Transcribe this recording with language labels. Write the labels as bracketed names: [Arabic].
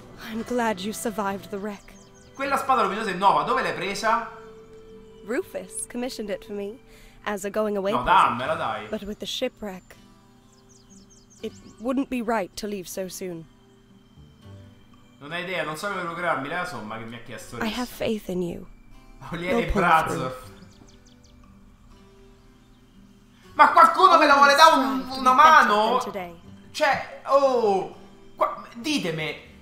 [English] I'm glad you survived the wreck. [Italian] Quella spada luminosa è nuova, dove l'hai presa? [English] Rufus commissioned it for me as a going away. [Italian] No, dammela, dai. [English] But with the shipwreck, it wouldn't be right to leave so soon. [Italian] Non hai idea, non so come procurarmi la somma che mi ha chiesto. [English] I have faith in you. Oliele Brazzo. [Italian] Ma qualcuno me la vuole dare una mano? Cioè, oh, ditemi.